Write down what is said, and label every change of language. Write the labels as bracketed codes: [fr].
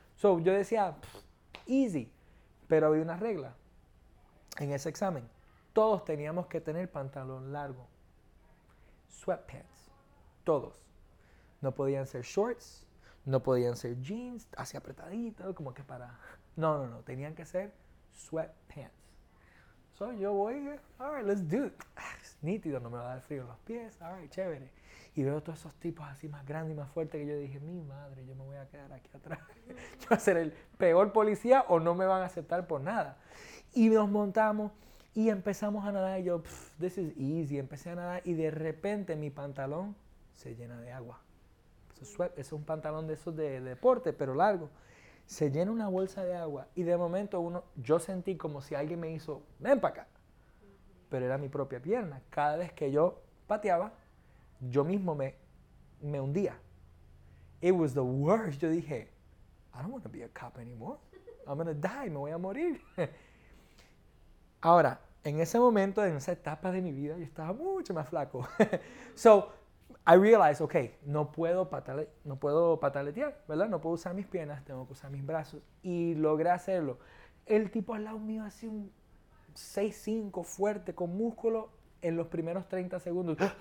[es] So, yo decía, easy, pero había una regla en ese examen. Todos teníamos que tener pantalón largo, sweatpants, todos. No podían ser shorts, no podían ser jeans, así apretadito, como que para... No, tenían que ser sweatpants. [en] So [es] yo voy, [en] all right, let's do it. [es] Es nítido, no me va a dar frío en los pies, [en] all right, [es] chévere. Y veo todos esos tipos así más grandes y más fuertes que yo dije, mi madre, yo me voy a quedar aquí atrás. Yo voy a ser el peor policía o no me van a aceptar por nada. Y nos montamos... Y empezamos a nadar y yo, [en] this is easy. [es] Empecé a nadar y de repente mi pantalón se llena de agua. Es un pantalón de esos de deporte, pero largo. Se llena una bolsa de agua y de momento yo sentí como si alguien me hizo, ven para acá. Pero era mi propia pierna. Cada vez que yo pateaba, yo mismo me hundía. [en] It was the worst. [es] Yo dije, [en] I don't want to be a cop anymore. I'm going to die. [es] Me voy a morir. Ahora, en ese momento, en esa etapa de mi vida, yo estaba mucho más flaco. [en] So, I realized, okay, [es] no puedo pataletear, ¿verdad? No puedo usar mis piernas, tengo que usar mis brazos. Y logré hacerlo. El tipo al lado mío hacía un 6'5", fuerte, con músculo, en los primeros 30 segundos.